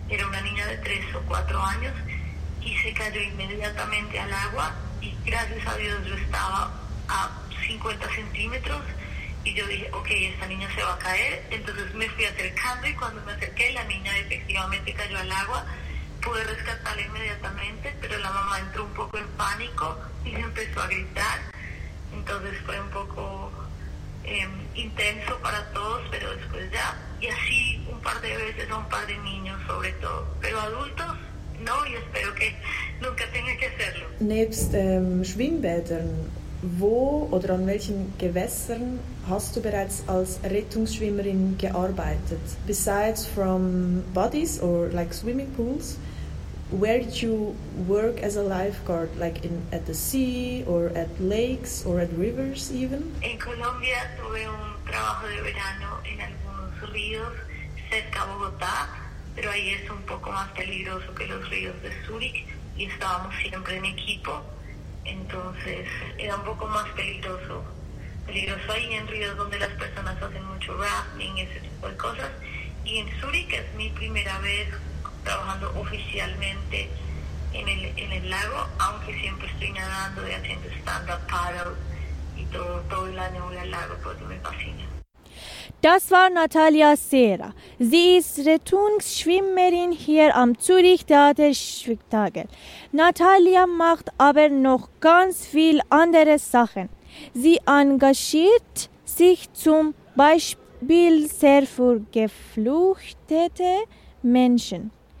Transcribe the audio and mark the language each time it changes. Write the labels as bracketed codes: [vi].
[es] Era una niña de 3 o 4 años y se cayó inmediatamente al agua y gracias a Dios yo estaba a 50 centímetros y yo dije, ok, esta niña se va a caer, entonces me fui acercando y cuando me acerqué la niña efectivamente cayó al agua, pude rescatarla inmediatamente, pero la mamá entró un poco en pánico y empezó a gritar, entonces fue un poco intenso para todos, pero después ya, y así un par de veces a un par de niños sobre todo, pero adultos no, y espero que nunca tenga que hacerlo. [de] Nebst Schwimmbädern, wo oder an welchen Gewässern hast du bereits als Rettungsschwimmerin gearbeitet? [en] Besides from bodies or like swimming pools, where did you work as a lifeguard? Like in at the sea or at lakes or at rivers even? [es] In Colombia tuve un trabajo de verano en algunos ríos cerca de Bogotá, pero ahí es un poco más peligroso que los ríos de Zurich y estábamos siempre en equipo, entonces era un poco más peligroso ahí en ríos donde las personas hacen mucho rafting y ese tipo de cosas, y en Zurich es mi primera vez trabajando oficialmente en el lago, aunque siempre estoy nadando y haciendo stand-up paddle y todo el año voy al lago porque me fascina. [de] Das war Natalia Sera. Sie ist Rettungsschwimmerin hier am Zürich Theater Spektakel. Natalia macht aber noch ganz viel andere Sachen. Sie engagiert sich zum Beispiel sehr für geflüchtete Menschen.